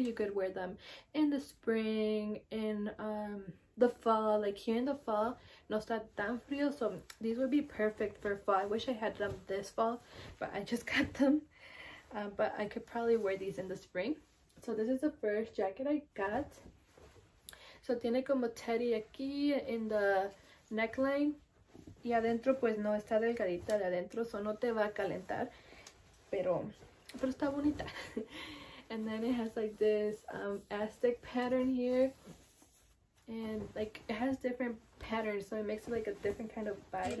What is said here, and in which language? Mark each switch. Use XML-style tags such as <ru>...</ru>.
<en>You could wear them in the spring, in the fall. Like here in the fall,</en> <es>no está tan frío,</es> <en>so these would be perfect for fall. I wish I had them this fall, but I just got them. But I could probably wear these in the spring. So this is the first jacket I got. So</en> <es>tiene como</es> <en>teddy aquí in the neckline.</en> <es>Y adentro pues no está delgadita de adentro, so no te va a calentar, pero está bonita.</es> <en>And then it has like this Aztec pattern here, and like it has different patterns, so it makes it like a different kind of vibe.</en>